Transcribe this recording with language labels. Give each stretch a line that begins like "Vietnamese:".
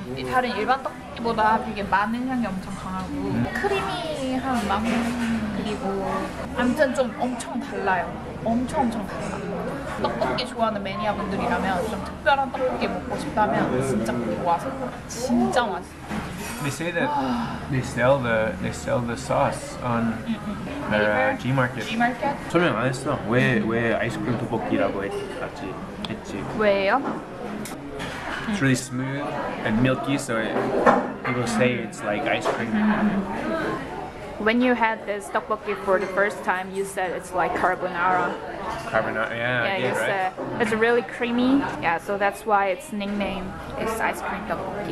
Korean: 다른 일반 떡볶이보다 되게 마늘 향이 엄청 강하고 크리미한 맛, 그리고 아무튼 좀 엄청 달라요. 엄청 엄청 달라. 떡볶이 좋아하는 매니아 분들이라면, 좀 특별한 떡볶이 먹고 싶다면 진짜 꼭 와서 진짜 맛있어요.
English: They say that they sell the sauce on the G-market. G-market?
Korean: 설명 안 했어. 왜 아이스크림 떡볶이라고 했지? 왜요?
English: It's really smooth and milky, so people say it's like ice cream. When you had this tteokbokki for the first time, you said it's like carbonara. Carbonara, yeah. Yeah, you said it's really creamy. Yeah, so that's why its nickname is ice cream tteokbokki.